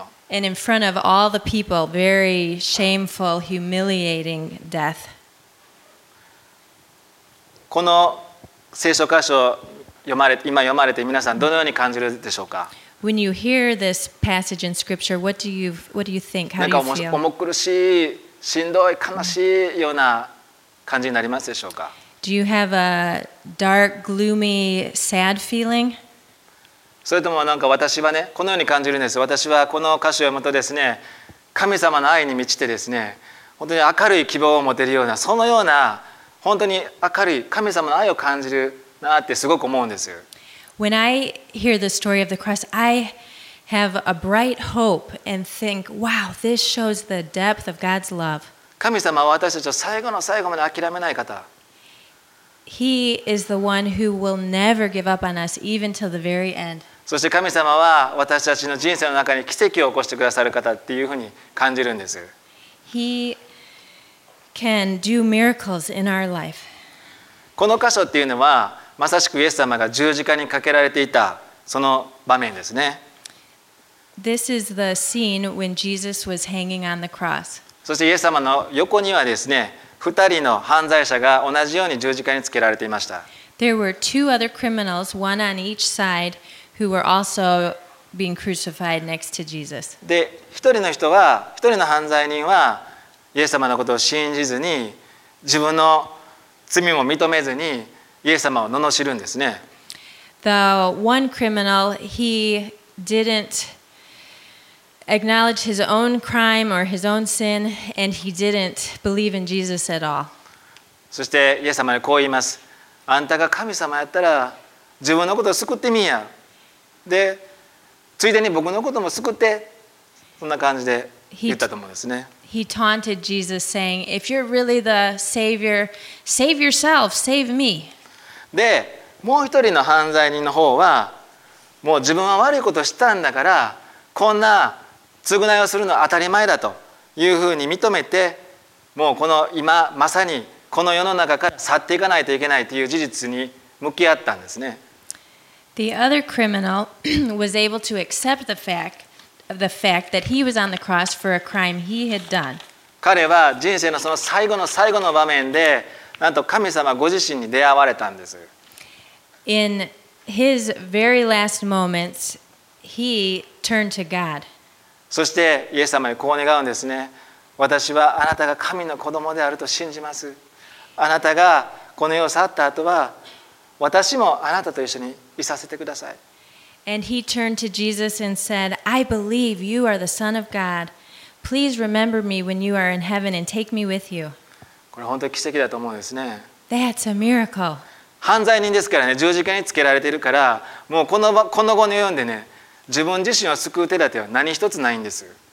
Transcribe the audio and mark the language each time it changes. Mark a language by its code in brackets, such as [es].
[en] and in front of all the people, very shameful, humiliating death. [ja] この聖書箇所今読まれて皆さんどのように感じるでしょうか。 [en] When you hear this passage in scripture, what do you think? How do you feel? [ja] 重苦しい、しんどい、悲しいような感じになりますでしょうか。 [en] Do you have a dark, gloomy, sad feeling? [ja] それともなんか私はね、このように感じるんです。私はこの歌詞を読むとですね、神様の愛に満ちてですね、本当に明るい希望を持てるような、そのような本当に明るい神様の愛を感じるなってすごく思うんです。 [en] When I hear the story of the cross, I have a bright hope and think, wow, this shows the depth of God's love. [ja] 神様は私たちを最後の最後まで諦めない方。 [en] He is the one who will never give up on us, even till the very end. [ja] そして神様は私たちの人生の中に奇跡を起こしてくださる方っていうふうに感じるんです。 [en] He can do miracles in our life. [ja] この箇所っていうのは、まさしくイエス様が十字架にかけられていたその場面ですね。 [en] This is the scene when Jesus was hanging on the cross. [ja] そしてイエス様の横にはですね、二人の犯罪者が同じように十字架につけられていました。 [en] There were two other criminals, one on each side, who were also being crucified next to Jesus. [ja] で、一人の犯罪人は、イエス様のことを信じずに、自分の罪も認めずに、イエス様を罵るんですね。 [en] The one criminal, he didn't acknowledge his own crime or his own sin, and he didn't believe in Jesus at all. [ja] そしてイエス様にこう言います。あんたが神様やったら自分のことを救ってみや。で、ついでに僕のことも救って。そんな感じで言ったと思うんですね。 [en] He taunted Jesus, saying, "If you're really the Savior, save yourself, save me." [ja] で、もう一人の犯罪人の方は、もう自分は悪いことをしたんだから、こんな償いをするのは当たり前だというふうに認めて、もうこの今まさにこの世の中から去っていかないといけないという事実に向き合ったんですね。 [en] The other criminal was able to accept the fact the fact that he was on the cross for a crime he had done. [ja] 彼は人生のその最後の最後の場面で、なんと神様ご自身に出会われたんです。 [en] In his very last moments, he turned to God. [ja] そしてイエス様にこう願うんですね。私はあなたが神の子供であると信じます。あなたがこの世を去った後は、私もあなたと一緒にいさせてください。 [en] And he turned to Jesus and said, I believe you are the Son of God. Please remember me when you are in heaven and take me with you. [ja] これ本当に奇跡だと思うんですね。 [en] That's a miracle. [ja] 犯罪人ですからね、十字架につけられているから、もうこの後の世でね、自分自身を救う手立ては何一つないんです。